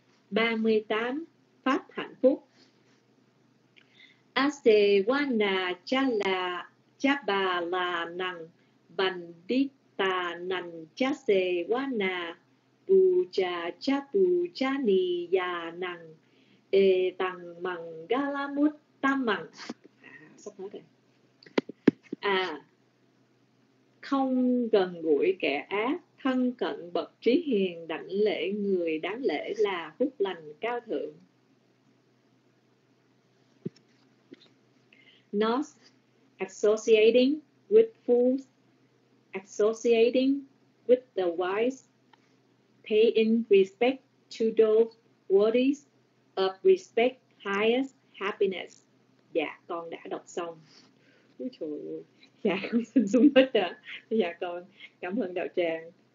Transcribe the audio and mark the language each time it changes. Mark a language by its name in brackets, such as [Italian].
[Vietnamese] 38 pháp hạnh phúc. [Pali] Asewana chala chabala nang bandita nang chasewana puja chapuja niya nang e tang mang galamut tamang. [Vietnamese] Không gần gũi kẻ ác, thân cận bậc trí hiền, đảnh lễ người đáng lễ là phúc lành cao thượng. [English] Not associating with fools, associating with the wise, paying respect to those worthy of respect, highest happiness. [Vietnamese] Dạ, con đã đọc xong. Úi trời ơi, dạ con xin xuống hết rồi. Dạ con cảm ơn đạo tràng.